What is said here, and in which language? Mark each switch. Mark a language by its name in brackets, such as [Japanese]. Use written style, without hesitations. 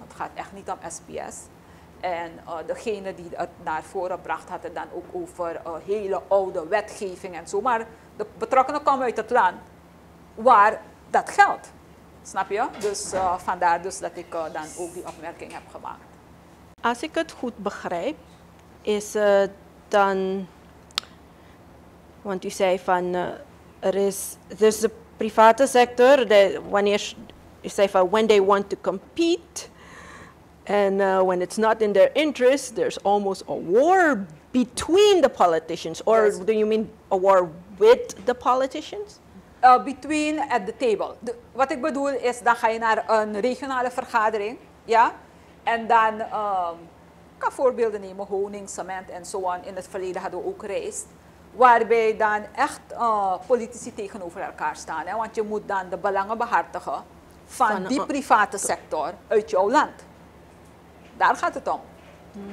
[Dutch] Het gaat echt niet om SPS. En degene die het naar voren bracht, had het dan ook over hele oude wetgeving en zo. Maar de betrokkenen komen uit het land waar dat geldt. Snap je? Dus vandaar dus dat ik dan ook die opmerking heb gemaakt. Als ik het goed begrijp, is het dan, want u zei van, [English] er is de private sector, wanneer, u zei van, when they want to compete, and when it's not in their interest, there's almost a war between the politicians, or yes. Do you mean a war with the politicians? Between at the table. [Dutch] Wat ik bedoel is, dan ga je naar een regionale vergadering, ja? En dan, ik kan voorbeelden nemen, honing, cement en zo. In het verleden hadden we ook rijst. Waarbij dan echt politici tegenover elkaar staan. Hè? Want je moet dan de belangen behartigen van die private sector uit jouw land. Daar gaat het om. Mm-hmm.